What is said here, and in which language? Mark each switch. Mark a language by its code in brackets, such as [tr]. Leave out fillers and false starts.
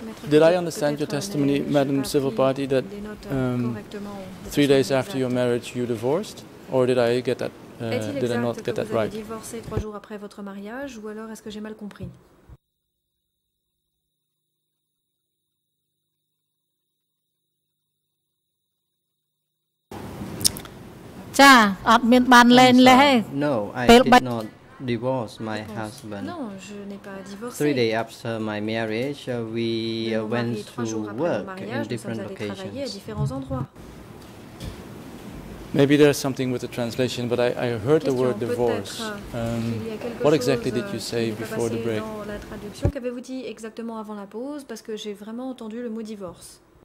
[en] Did I understand your testimony, Madam Civil Party, that 3 days after your marriage you divorced, or did I get that? Did I not get that right? [fr] Est-il exact que vous avez divorcé 3 jours après votre mariage, ou alors est-ce que j'ai mal compris? Cha, admin ban len le hai. [en] No, I did not. Divorce my husband. [fr] Non, je n'ai pas divorcé. [en] 3 days after my marriage, we went to work in different locations. [fr] À différents endroits. [en] Maybe there's something with the translation, but I heard the word divorce. What exactly did you say before the break? [fr] Dans la traduction, qu'avez-vous dit exactement avant la pause? Parce que j'ai vraiment entendu le mot divorce.